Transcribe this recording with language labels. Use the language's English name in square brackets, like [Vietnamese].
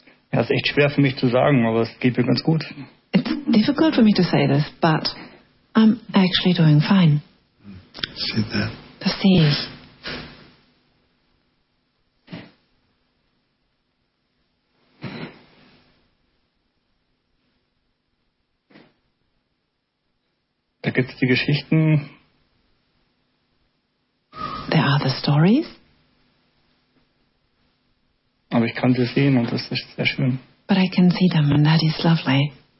[German] Das ist echt schwer für mich zu sagen, aber es geht mir ganz gut. [English] It's difficult for me to say this, but I'm actually doing fine. See that? [German] Das sehe ich. Da gibt es die Geschichten. [English] There are the stories. [German] Aber ich kann sie sehen und das ist sehr schön. [English] But I can see them and that is lovely.